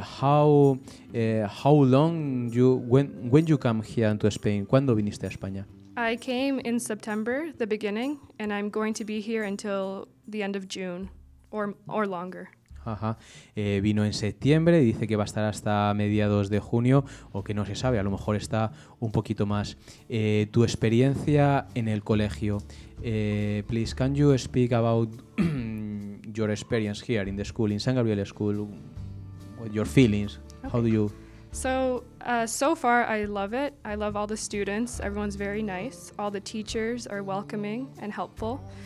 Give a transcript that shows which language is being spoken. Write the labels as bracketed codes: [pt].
[en] How long you when you come here to Spain? [es] ¿Cuándo viniste a España? [en] I came in September, the beginning, and I'm going to be here until the end of June, or longer. Ajá. [es] Vino en septiembre, dice que va a estar hasta mediados de junio, o que no se sabe, a lo mejor está un poquito más. Tu experiencia en el colegio. [en] Please, can you speak about your experience here in the school, in San Gabriel School, your feelings? Okay. How do you... So far I love it. I love all the students. Everyone's very nice. All the teachers are welcoming and helpful.